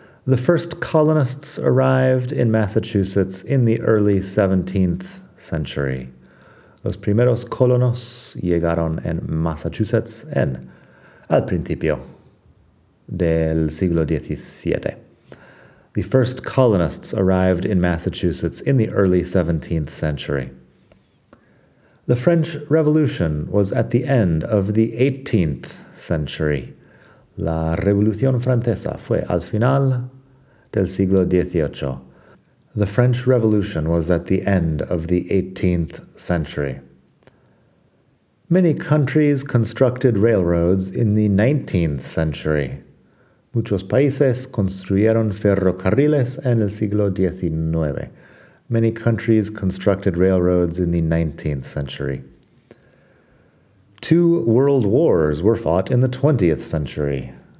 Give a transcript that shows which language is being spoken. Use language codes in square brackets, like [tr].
[en] The first colonists arrived in Massachusetts in the early 17th century. [es] Los primeros colonos llegaron en Massachusetts en al principio del siglo 17. [en] The first colonists arrived in Massachusetts in the early 17th century. The French Revolution was at the end of the 18th century. [es] La Revolución Francesa fue al final del siglo XVIII. [en] The French Revolution was at the end of the 18th century. Many countries constructed railroads in the 19th century. [es] Muchos países construyeron ferrocarriles en el siglo XIX. [en] Many countries constructed railroads in the 19th century. Two world wars were fought in the 20th century.